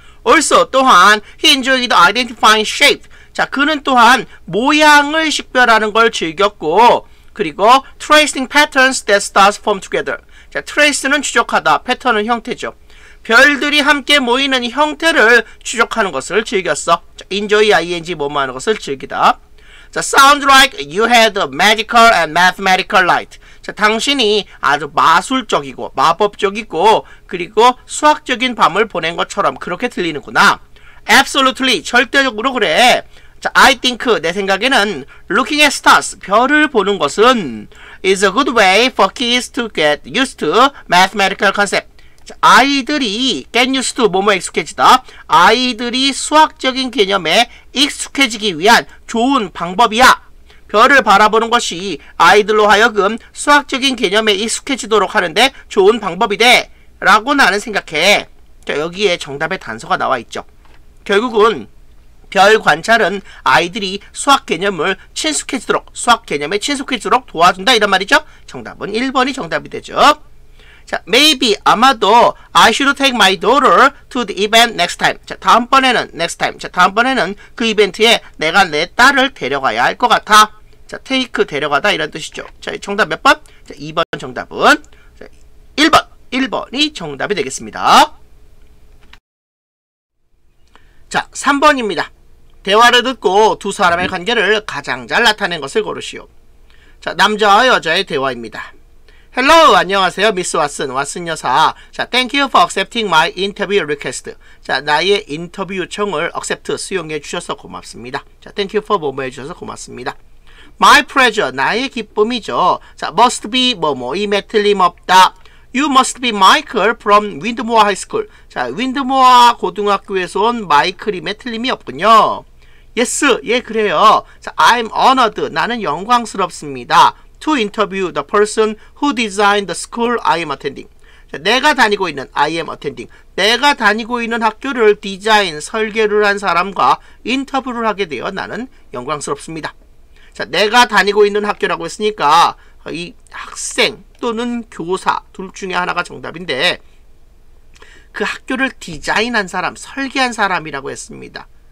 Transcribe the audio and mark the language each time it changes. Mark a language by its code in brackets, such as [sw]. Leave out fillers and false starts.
[en] Also, 또한, he enjoyed identifying shape. 자, [ko] 그는 또한 모양을 식별하는 걸 즐겼고, 그리고 [en] tracing patterns that stars form together. [ko] 자, trace는 추적하다, 패턴은 형태죠. 별들이 함께 모이는 형태를 추적하는 것을 즐겼어. 자, enjoy ing 뭐뭐하는 것을 즐기다. [en] 자, sounds like you had a magical and mathematical night. [ko] 자, 당신이 아주 마술적이고 마법적이고 그리고 수학적인 밤을 보낸 것처럼 그렇게 들리는구나. [en] Absolutely, [ko] 절대적으로 그래. [en] 자, I think, [ko] 내 생각에는 [en] looking at stars, [ko] 별을 보는 것은 [en] is a good way for kids to get used to mathematical concept. [ko] 자, 아이들이 [en] get used to, [ko] 뭐뭐 익숙해지다. 아이들이 수학적인 개념에 익숙해지기 위한 좋은 방법이야. 별을 바라보는 것이 아이들로 하여금 수학적인 개념에 익숙해지도록 하는데 좋은 방법이 돼. 라고 나는 생각해. 자, 여기에 정답의 단서가 나와 있죠. 결국은 별 관찰은 아이들이 수학 개념을 친숙해지도록, 수학 개념에 친숙해지도록 도와준다. 이런 말이죠. 정답은 1번이 정답이 되죠. [en] 자, maybe, 아마도 I should take my daughter to the event next time. [ko] 자, 다음번에는 [en] next time. [ko] 자, 다음번에는 그 이벤트에 내가 내 딸을 데려가야 할 것 같아. 자, take, 데려가다 이런 뜻이죠. 자, 정답 몇 번? 자, 2번 정답은 자, 1번. 1번이 정답이 되겠습니다. 자, 3번입니다. 대화를 듣고 두 사람의 관계를 가장 잘 나타낸 것을 고르시오. 자, 남자와 여자의 대화입니다. [en] Hello, [ko] 안녕하세요, [en] Miss Watson, Watson 여사. 자, thank you for accepting my interview request. [ko] 자, 나의 인터뷰 요청을 accept, 수용해 주셔서 고맙습니다. 자, [en] thank you for [ko] 뭐뭐 해주셔서 고맙습니다. [en] My pleasure, [ko] 나의 기쁨이죠. 자, [en] must be [ko] 뭐뭐임에 틀림없다. [en] You must be Michael from Windmore High School. [ko] 자, Windmore 고등학교에서 온 마이클임에 틀림이 없군요. Yes, 예, 그래요. 자, [en] I'm honored, [ko] 나는 영광스럽습니다. [en] To interview the person who designed the school I am attending. [ko] 자, 내가 다니고 있는 [en] I am attending. [ko] 내가 다니고 있는 학교를 디자인, 설계를 한 사람과 인터뷰를 하게 되어 나는 영광스럽습니다. 자, 내가 다니고 있는 학교라고 했으니까 이 학생 또는 교사 둘 중에 하나가 정답인데 그 학교를 디자인한 사람, 설계한 사람이라고 했습니다.